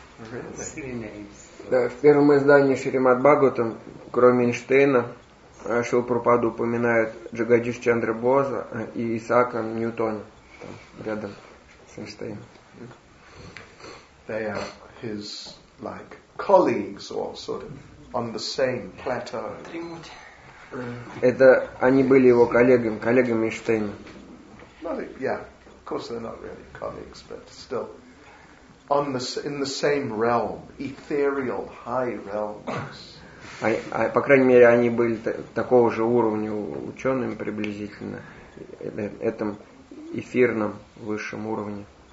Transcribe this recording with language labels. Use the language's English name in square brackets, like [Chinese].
[Russian] В первом издании Шримад Бхагаватам, кроме Эйнштейна, Шрила Прабхупада упоминает Джагадиш Чандра Боза и Исаака Ньютона, там, рядом с Эйнштейном. [English] They are his like colleagues or sort of on the same plateau. [Russian] Это они были его коллегами, коллегами Эйнштейна. [English] Yeah, of course they're not really colleagues, but still on the in the same realm, ethereal high realms. [Russian] По крайней мере, они были такого же уровня ученым приблизительно этом эфирном высшем уровне.